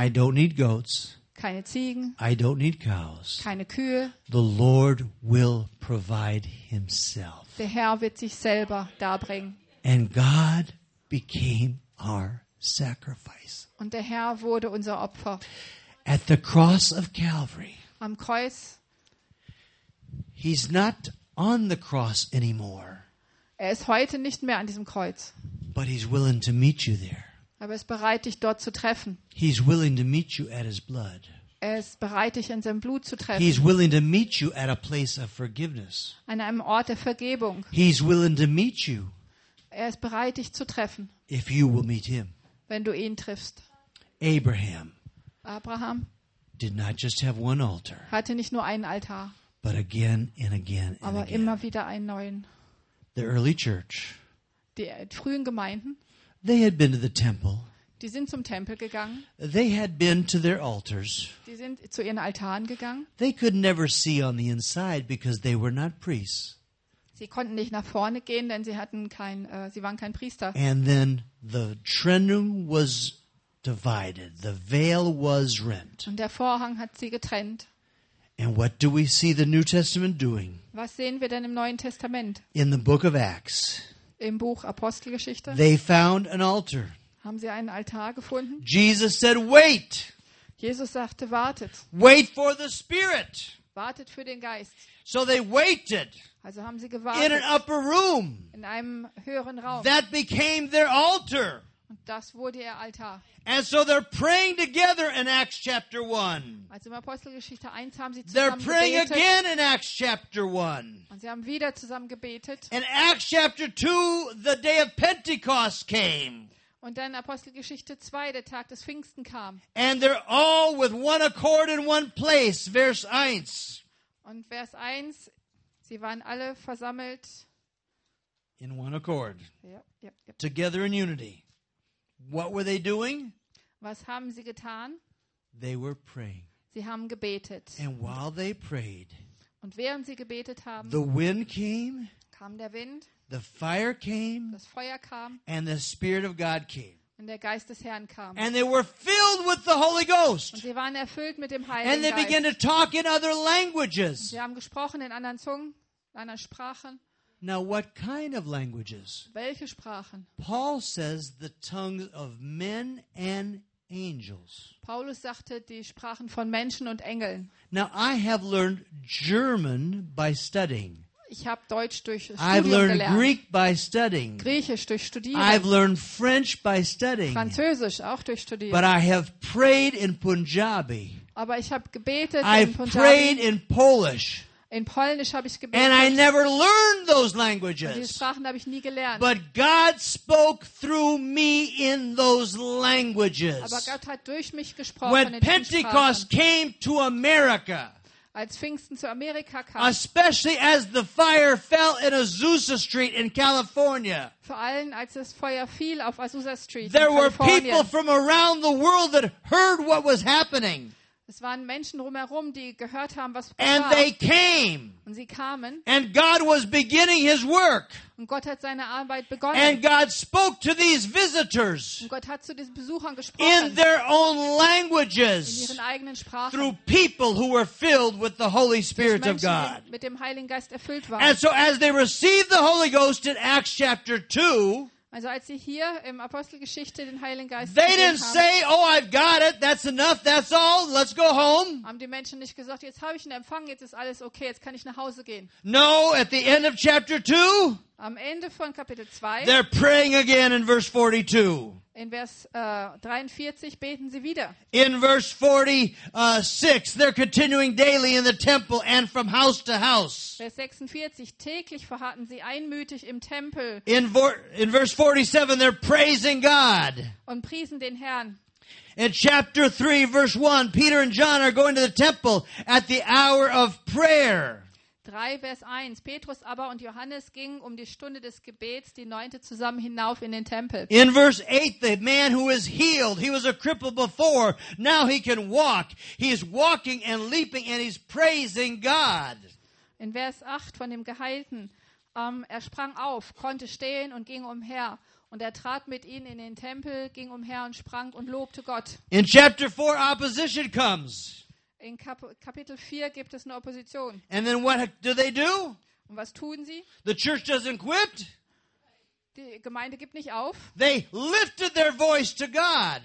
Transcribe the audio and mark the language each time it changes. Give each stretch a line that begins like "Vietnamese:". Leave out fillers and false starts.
English: I don't need goats.
German: Keine Ziegen.
English: I don't need cows.
German: Keine Kühe.
English: The Lord will provide himself.
German: Der Herr wird sich selber darbringen.
English: And God became our sacrifice.
German: Und der Herr wurde unser Opfer.
English: At the cross of Calvary.
German: Am Kreuz.
English: He's not on the cross anymore.
German: Er ist heute nicht mehr an diesem Kreuz.
English: But he's willing to meet you there.
German: Aber er ist bereit, dich dort zu treffen.
English: He's willing to meet you at his blood.
German: Er ist bereit, dich in seinem Blut zu treffen.
English: He's willing to meet you at a place of forgiveness.
German: An einem Ort der Vergebung.
English: He's willing to meet you.
German: Er ist bereit, dich zu treffen.
English: If you will meet him.
German: Wenn du ihn triffst.
English: Abraham.
German: Abraham.
English: Did not just have one altar.
German: Hatte nicht nur einen Altar.
English: But again and again and
German: aber
English: again.
German: Immer wieder einen neuen.
English: The early church.
German: Die frühen Gemeinden.
English: They had been to the temple.
German: Die sind zum Tempel gegangen.
English: They had been to their altars.
German: Die sind zu ihren Altaren gegangen.
English: They could never see on the inside because they were not priests.
German: Sie konnten nicht nach vorne gehen, denn sie hatten kein sie waren kein Priester.
English: And then the trennung was divided. The veil was rent.
German: Und der Vorhang hat sie getrennt.
English: And what do we see the New Testament doing?
German: Was sehen wir denn im Neuen Testament?
English: In the book of Acts.
German: Im Buch Apostelgeschichte.
English: They found an altar.
German: Haben sie einen Altar gefunden?
English: Jesus said, wait.
German: Jesus sagte, wartet.
English: Wait for the Spirit.
German: Wartet für den Geist.
English: So they waited.
German: Also haben sie gewartet.
English: In an upper room.
German: In einem höheren Raum.
English: That became their altar.
German: Und das wurde ihr Altar.
English: And so they're praying together in Acts chapter 1.
German: Also im Apostelgeschichte 1 haben sie zusammen
English: they're praying
German: gebetet.
English: Again in Acts chapter 1.
German: Und sie haben wieder zusammen gebetet.
English: In Acts chapter 2, the day of Pentecost came.
German: Und dann Apostelgeschichte 2, der Tag des Pfingsten kam.
English: And they're all with one accord in one place, verse 1.
German: Und Vers 1, sie waren alle versammelt.
English: In one accord. Yep. Together in unity. What were they doing?
German: Was haben sie getan?
English: They were praying.
German: Sie haben gebetet.
English: And while they prayed.
German: Und während sie gebetet haben.
English: The wind came.
German: Kam der Wind.
English: The fire came.
German: Das Feuer kam.
English: And the Spirit of God came.
German: Und der Geist des Herrn kam.
English: And they were filled with the Holy Ghost.
German: Und sie waren erfüllt mit dem Heiligen Geist.
English: And they began to talk in other languages.
German: Sie haben gesprochen in anderen Zungen, in anderen Sprachen.
English: Now what kind of languages?
German: Welche Sprachen?
English: Paul says the tongues of men and angels.
German: Paulus sagte die Sprachen von Menschen und Engeln.
English: Now I have learned German by studying.
German: Ich habe Deutsch durch Studium gelernt.
English: I've learned
German: gelernt.
English: Greek by studying.
German: Griechisch durch Studieren.
English: I've learned French by studying.
German: Französisch auch durch Studieren.
English: But I have prayed in Punjabi.
German: Aber ich habe gebetet
English: I've
German: in Punjabi.
English: I prayed in Polish.
German: In Polnisch habe ich gebetet.
English: And I never learned those languages.
German: Diese Sprachen habe ich nie gelernt.
English: But God spoke through me in those languages.
German: Aber Gott hat durch mich gesprochen.
English: When
German: in diesen
English: Pentecost
German: Sprachen.
English: Came to America.
German: Als Pfingsten zu Amerika kam.
English: Especially as the fire fell in Azusa Street in California.
German: Vor allem als das Feuer fiel auf Azusa Street in Kalifornien.
English: There were people from around the world that heard what was happening.
German: Es waren Menschen drumherum, die gehört haben, was passiert.
English: And they came.
German: Und sie kamen.
English: And God was beginning his work.
German: Und Gott hat seine Arbeit begonnen.
English: And God spoke to these visitors.
German: Und Gott hat zu diesen Besuchern gesprochen.
English: In their own languages.
German: In ihren eigenen Sprachen.
English: Through people who were filled with the Holy Spirit
German: Menschen,
English: of God.
German: Mit dem Heiligen Geist erfüllt waren.
English: And so as they received the Holy Ghost in Acts chapter 2,
German: also als sie hier im Apostelgeschichte den Heiligen Geist haben,
English: they didn't say, oh, I've got it, that's enough, that's all, let's go home.
German: Haben die Menschen nicht gesagt, jetzt habe ich ihn empfangen, jetzt ist alles okay, jetzt kann ich nach Hause gehen.
English: No, at the end of chapter 2,
German: am Ende von Kapitel 2,
English: they're praying again in verse 42.
German: In Vers 43 beten sie wieder.
English: In verse 46, they're continuing daily in the temple and from house to house.
German: Vers 46, täglich verharrten sie einmütig im Tempel.
English: In verse 47, they're praising God.
German: Und priesen den Herrn.
English: In chapter 3, verse 1, Peter and John are going to the temple at the hour of prayer.
German: 3, Vers 1. Petrus aber und Johannes gingen um die Stunde des Gebets, die neunte, zusammen hinauf in den Tempel.
English: In verse 8, the man who is healed, he was a cripple before, now he can walk. He is walking and leaping and he's praising God.
German: In Vers 8 von dem Geheilten, er sprang auf, konnte stehen und ging umher. Und er trat mit ihnen in den Tempel, ging umher und sprang und lobte Gott.
English: In chapter 4, opposition comes.
German: In Kapitel 4 gibt es eine Opposition.
English: And then what do they do?
German: Und was tun sie?
English: The church doesn't quit.
German: Die Gemeinde gibt nicht auf.
English: They lifted their voice to God.